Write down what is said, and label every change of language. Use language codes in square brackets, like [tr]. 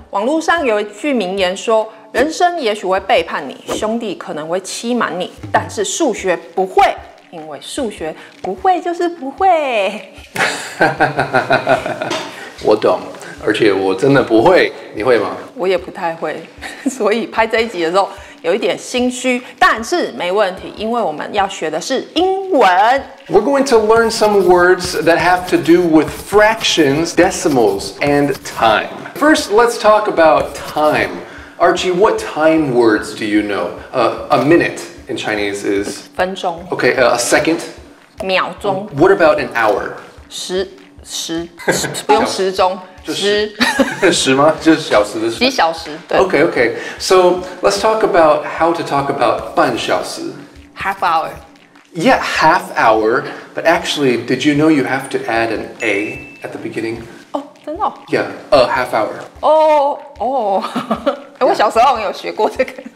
[zh] 网络上有一句名言说，人生也许会背叛你，兄弟可能会欺瞒你，但是数学不会，因为数学不会就是不会。我懂，而且我真的不会。你会吗？我也不太会，所以拍这一集的时候有一点心虚，但是没问题，因为我们要学的是英文。 [en] We're going to learn some words that have to do with fractions, decimals, and time. First, let's talk about time. Archie, what time words do you know? A minute in Chinese is [zh] 分钟。 [en] Okay, a second. [zh] 秒钟。 [en] What about an hour? [zh] 十不用时钟。十吗？就是小时的时。几小时？对。 [en] Okay, okay. So let's talk about how to talk about [zh] 半小时。 [en] Half hour. Yeah, half hour. But actually, did you know you have to add an A at the beginning? [zh] Oh, 真的？ [en] Yeah, a half hour. [zh] Oh. 我小时候好像有学过这个。